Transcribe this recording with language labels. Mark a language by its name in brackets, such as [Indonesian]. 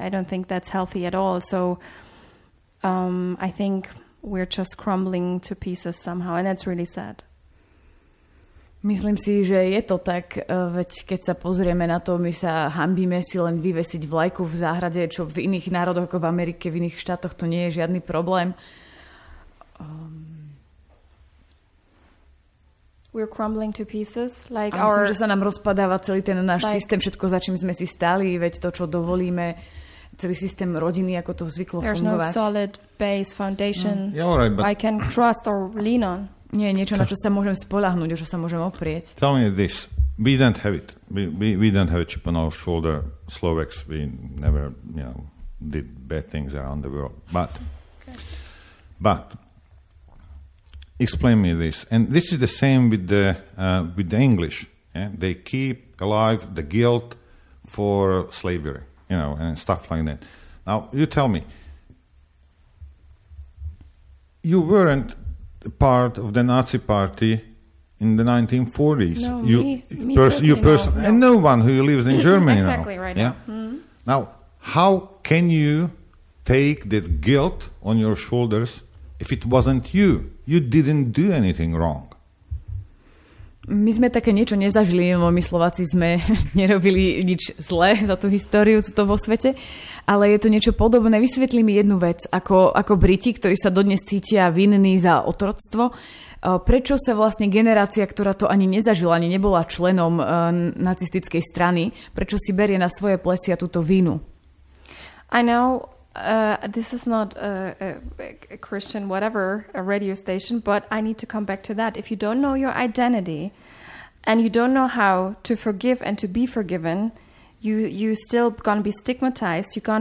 [English] I don't think that's healthy at all. So I think we're just crumbling to pieces somehow, and that's really sad. [Slovak] Myslím si, že je to tak, veď keď sa pozrieme na to, my sa hanbíme si len vyvesiť vlajku v záhrade, čo v iných národoch ako v Amerike, v iných štátoch to nie je žiadny problém. [English] We're crumbling to pieces. Like [Slovak] myslím, že sa nám rozpadáva celý ten náš systém, všetko, za čím sme si stali, veď to, čo dovolíme, celý systém rodiny, ako to zvyklo fungovať. [English] There's no solid base foundation I can trust or lean on. [Slovak] Nie, niečo, na čo sa môžem spoľahnúť, o čo sa môžem oprieť. [English] Tell me this. We don't have it. We don't have a chip on our shoulder. Slovaks, we never, you know, did bad things around the world. But, but explain me this. And this is the same with the English. Yeah? They keep alive the guilt for slavery, you know, and stuff like that. Now, you tell me. You weren't part of the Nazi party in the 1940s. No, you personally, and no one who lives in Germany exactly Exactly right. Yeah? Now, how can you take that guilt on your shoulders if it wasn't you? You didn't do anything wrong. [Slovak] My sme také niečo nezažili, lebo my Slováci sme nerobili nič zlé za tú históriu tuto vo svete, ale je to niečo podobné. Vysvetli mi jednu vec, ako Briti, ktorí sa dodnes cítia vinní za otroctvo, prečo sa vlastne generácia, ktorá to ani nezažila, ani nebola členom nacistickej strany, prečo si berie na svoje plecia túto vinu? [English] I know this is not a Christian whatever, a radio station, but I need to come back to that. If you don't know your identity and you don't know how to forgive and to be forgiven, you still gonna be stigmatized.